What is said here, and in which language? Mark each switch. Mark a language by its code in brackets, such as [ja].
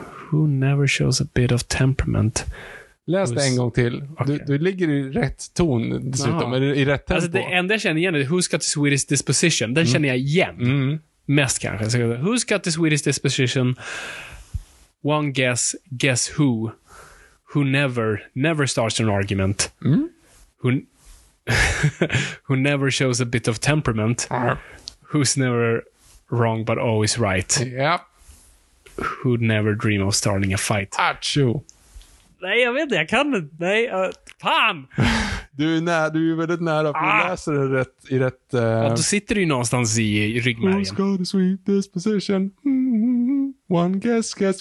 [en] Who never shows a bit of temperament? [sv] Läs det en gång till. [en] Okay. [sv] Du ligger i rätt ton dessutom, eller i rätt tempo. Alltså det enda jag känner igen är [en] Who's got the Swedish disposition? [sv] Den känner jag igen. Mm. Mest kanske. Så, [en] who's got the Swedish disposition? One guess who? Who never starts an argument? Mm. Who never shows a bit of temperament? Arr. Who's never wrong but always right? Yep. Who'd never dream of starting a fight? Achoo. [sv] Nej, jag vet inte, jag kan inte. Nej, fan! Du är väldigt nära, för du läser det rätt, i rätt... Ja, då sitter du ju någonstans i ryggmärgen. [en] Who's got a sweet disposition? One guess.